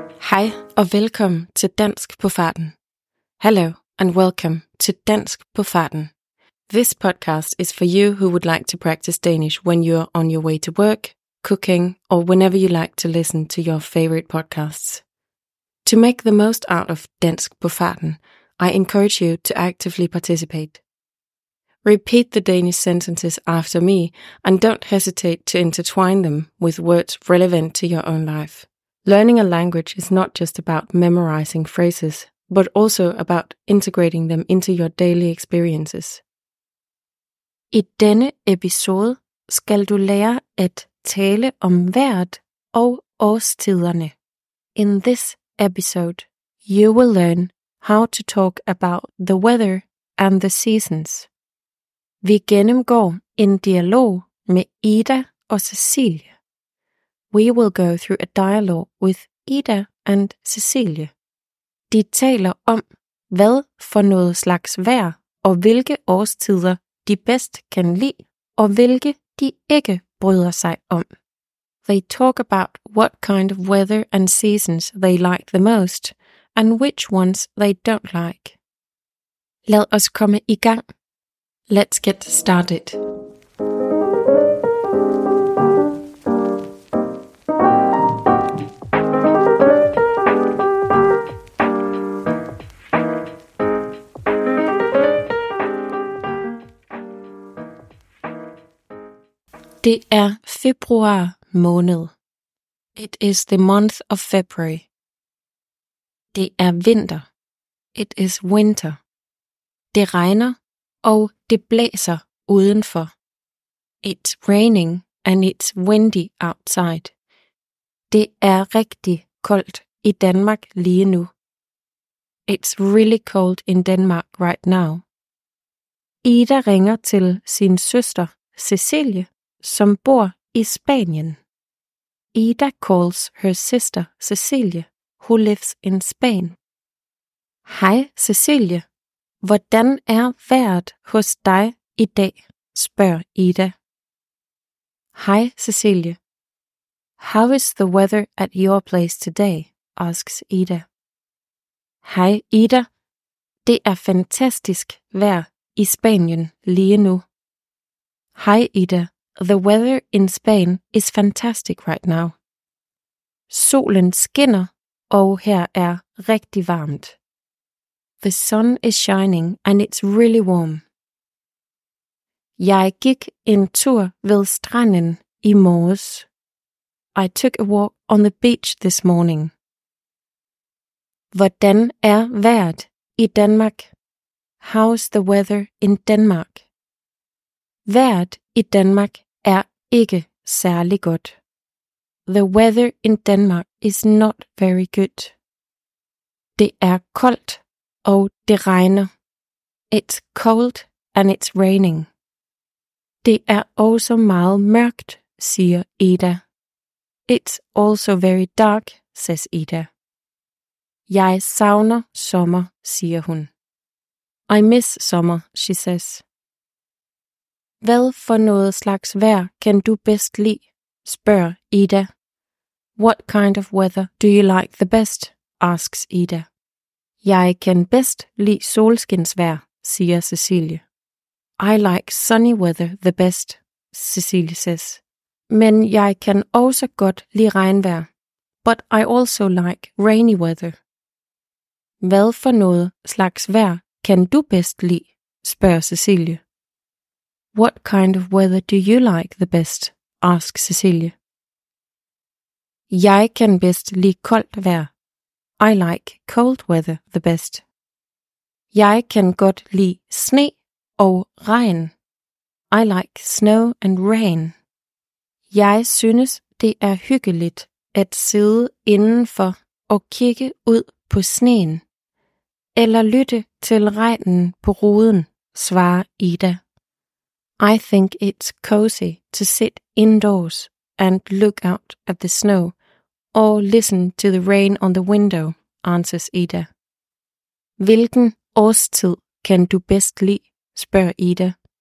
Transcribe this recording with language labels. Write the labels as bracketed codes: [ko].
[da] Hej og velkommen til Dansk på Farten. [en] Hello and welcome to Dansk på Farten. This podcast is for you who would like to practice Danish when you are on your way to work, cooking, or whenever you like to listen to your favorite podcasts. To make the most out of Dansk på Farten, I encourage you to actively participate. Repeat the Danish sentences after me and don't hesitate to intertwine them with words relevant to your own life. Learning a language is not just about memorizing phrases, but also about integrating them into your daily experiences. [da] I denne episode skal du lære at tale om vejret og årstiderne. [en] In this episode, you will learn how to talk about the weather and the seasons. [da] Vi gennemgår en dialog med Ida og Cecilie. [en] We will go through a dialogue with Ida and Cecilie. [da] De taler om, hvad for noget slags vejr og hvilke årstider de bedst kan lide, og hvilke de ikke bryder sig om. [en] They talk about what kind of weather and seasons they like the most, and which ones they don't like. [da] Lad os komme i gang. [en] Let's get started. [da] Det er februar måned. [en] It is the month of February. [da] Det er vinter. [en] It is winter. [da] Det regner. Og det blæser udenfor. [en] It's raining and it's windy outside. [da] Det er rigtig koldt i Danmark lige nu. [en] It's really cold in Denmark right now. [da] Ida ringer til sin søster Cecilie, som bor i Spanien. [en] Ida calls her sister Cecilie, who lives in Spain. [da] Hej Cecilie. Hvordan er vejret hos dig i dag, spørger Ida. Hej, Cecilie. [en] How is the weather at your place today, asks Ida. [da] Hej, Ida. Det er fantastisk vejr i Spanien lige nu. Hej, Ida. [en] The weather in Spain is fantastic right now. [da] Solen skinner, og her er rigtig varmt. [en] The sun is shining and it's really warm. [da] Jeg gik en tur ved stranden i morges. [en] I took a walk on the beach this morning. [da] Hvordan er vejret i Danmark? [en] How's the weather in Denmark? [da] Vejret i Danmark er ikke særlig godt. [en] The weather in Denmark is not very good. [da] Det er koldt. Og det regner. [en] It's cold and it's raining. [da] Det er også meget mørkt, siger Ida. [en] It's also very dark, says Ida. [da] Jeg savner sommer, siger hun. [en] I miss summer, she says. [da] Hvad for noget slags vejr kan du bedst lide, spørger Ida. [en] What kind of weather do you like the best, asks Ida. [da] Jeg kan bedst lide solskinsvejr, siger Cecilie. [en] I like sunny weather the best, Cecilie says. [da] Men jeg kan også godt lide regnvejr. [en] But I also like rainy weather. [da] Hvad for noget slags vejr kan du bedst lide, spørger Cecilie. [en] What kind of weather do you like the best, asks Cecilie. [da] Jeg kan bedst lide koldt vejr. [en] I like cold weather the best. [da] Jeg kan godt lide sne og regn. [en] I like snow and rain. [da] Jeg synes, det er hyggeligt at sidde indenfor og kigge ud på sneen. Eller lytte til regnen på ruden, svarer Ida. [en] I think it's cozy to sit indoors and look out at the snow. Or listen to the rain on the window, answers Ida. [da] Hvilken årstid kan du bedst lide, spørger Ida.